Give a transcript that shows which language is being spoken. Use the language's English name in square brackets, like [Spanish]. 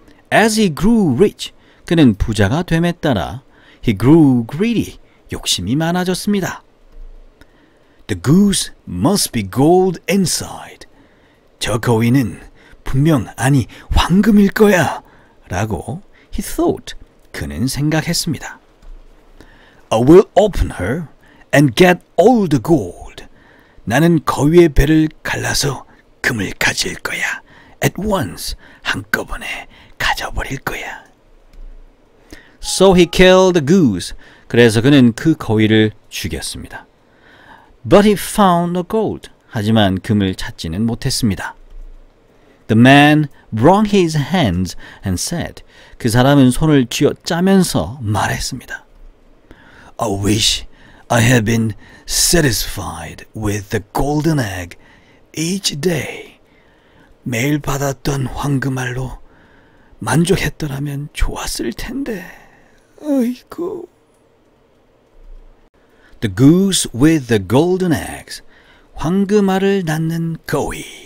[English] As he grew rich, [Korean] 그는 부자가 됨에 따라 [English] he grew greedy, [Korean] 욕심이 많아졌습니다. [English] The goose must be gold inside. [Korean] 저 거위는 분명 아니 황금일 거야 라고 [English] he thought, [Korean] 그는 생각했습니다. [English] I will open her and get all the gold. [Korean] 나는 거위의 배를 갈라서 금을 가질 거야. [English] At once, [Korean] 한꺼번에 가져버릴 거야. [English] So he killed the goose. [Korean] 그래서 그는 그 거위를 죽였습니다. [English] But he found the gold. [Korean] 하지만 금을 찾지는 못했습니다. [English] The man wrung his hands and said, [Korean] 그 사람은 손을 쥐어짜면서 말했습니다. [English] I wish I had been satisfied with the golden egg each day. [Korean] 매일 받았던 황금알로 만족했더라면 좋았을 텐데. 아이고. [English] The goose with the golden eggs. [Korean] 황금알을 낳는 거위.